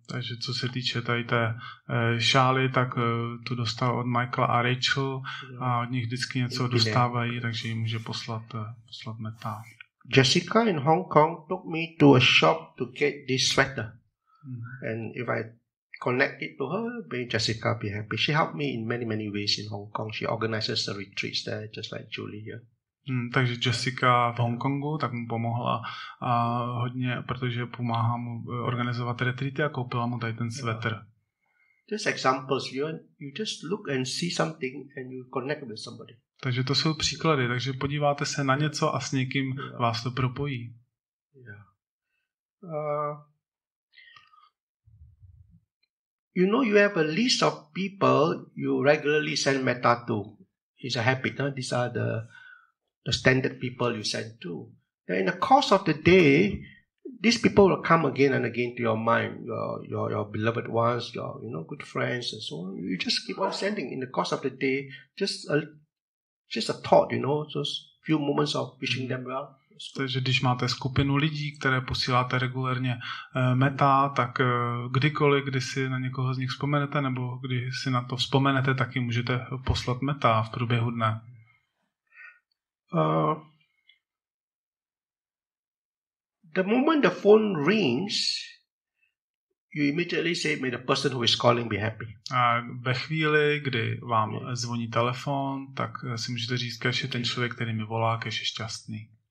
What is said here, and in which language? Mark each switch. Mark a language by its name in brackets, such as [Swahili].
[Czech] Takže co se týče tady té šály, tak tu dostal od Michaela a Rachel a od nich vždycky něco dostávají, takže jim může poslat metta. [English] Jessica in Hong Kong took me to a shop to get this sweater. And if I connect it to her, may Jessica be happy. She helped me in many, many ways in Hong Kong. She organizes the retreats there, just like Julie here. [Czech] Takže Jessica v Hongkongu tak mu pomohla a hodně, protože pomáhá mu organizovat retreaty a koupila mu tady ten sweater. [English] Just examples, you just look and see something and you connect with somebody. [Czech] Takže to jsou příklady, takže podíváte se na něco a s někým vás to propojí. [English] You know, you have a list of people you regularly send metta to. It's a habit, no? These are the standard people you send to. Then in the course of the day, these people will come again and again to your mind, your beloved ones, your good friends and so on. You just keep on sending in the course of the day, just a thought, just a few moments of wishing them well. [Czech] Takže když máte skupinu lidí, které posíláte regulérně metta, tak kdykoliv, kdy si na někoho z nich vzpomenete, nebo když si na to vzpomenete, tak jim můžete poslat metta v průběhu dne. [English] The moment the phone rings, you immediately say, may the person who is calling be happy. [Czech] A ve chvíli, kdy vám zvoní telefon, tak si můžete říct, kéž je ten člověk, který mi volá, kéž je šťastný.